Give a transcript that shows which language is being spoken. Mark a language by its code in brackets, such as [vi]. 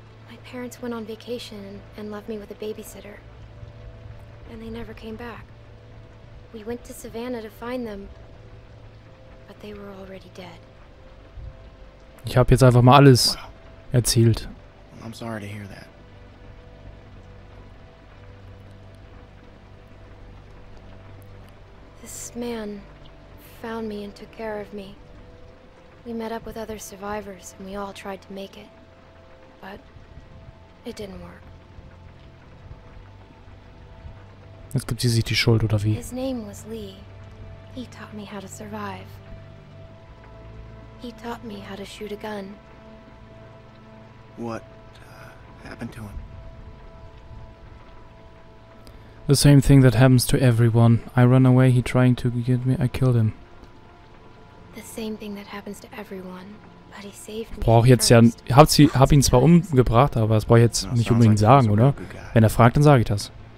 [en] My parents went on vacation and left me with a babysitter. And they never came back. We went to Savannah to find them, but they were already dead. [de] Ich habe jetzt einfach mal alles erzählt. [en] I'm sorry to hear that. This man found me and took care of me. We met up with other survivors and we all tried to make it, but it didn't work. [de] Jetzt gibt sie sich die Schuld, oder wie? [en] His name was Lee. He taught me how to survive. He taught me how to shoot a gun. What happened to him? The same thing that happens to everyone. I run away, he trying to get me, I killed him. The same thing that happens to everyone. But he saved me. [de] Brauch jetzt [en] first. [de] Ja, hab ihn zwar umgebracht, aber das brauche ich jetzt nicht unbedingt like sagen, oder? Wenn er fragt, dann sage ich das.